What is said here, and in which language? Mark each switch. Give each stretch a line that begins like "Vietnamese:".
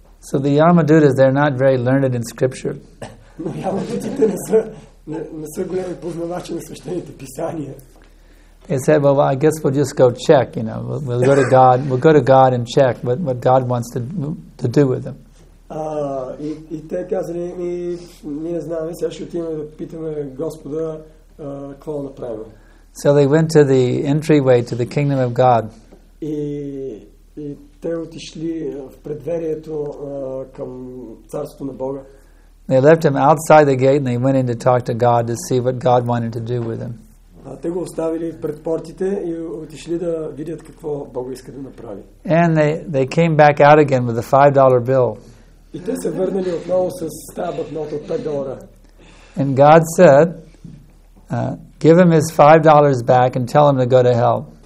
English: So the Yamadutas, they're not very learned in scripture.
Bulgarian: Но Yamadutas не са големи познавачи на свещените писания.
English: They said, well, I guess we'll just go check, you know. We'll go to God. We'll go to God and check what God wants to do with them.
Bulgarian: И те казали, ние не знаем, сега ще отиваме да питаме Господа какво да направим.
English: So they went to the entryway to the kingdom of God.
Bulgarian: И те отишли в предверието към царството на Бога.
English: They left him outside the gate and they went in to talk to God to see what God wanted to do with him.
Bulgarian: Те го оставили пред портите и отишли да видят какво Бог иска да направи.
English: And they came back out again with a $5 bill.
Bulgarian: И те се върнали отново с тази банкнота от $5.
English: And God said, give him his $5 back and tell him to go to hell.